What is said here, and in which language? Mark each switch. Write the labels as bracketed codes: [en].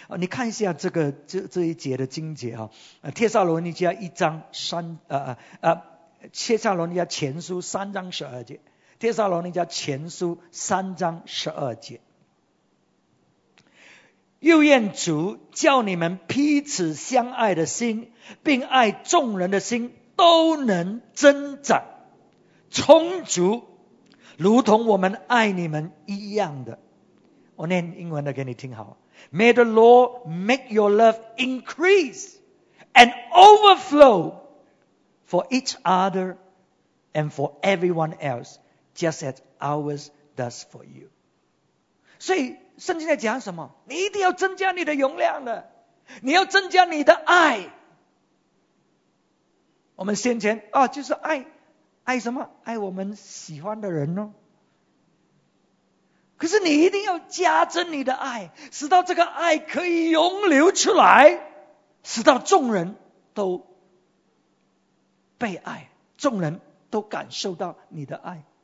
[zh] 你看一下这一节的经节啊，帖撒罗尼迦一章三帖撒罗尼迦前书三章十二节，帖撒罗尼迦前书三章十二节，又愿主叫你们彼此相爱的心，并爱众人的心都能增长充足，如同我们爱你们一样的。我念英文的给你听好。 [en] May the Lord make your love increase and overflow for each other and for everyone else, just as ours does for you. [zh] 所以圣经在讲什么？你一定要增加你的容量的，你要增加你的爱。我们先前啊，就是爱，爱什么？爱我们喜欢的人哦。可是你一定要加增你的爱，使到这个爱可以涌流出来，使到众人都被爱，众人都感受到你的爱。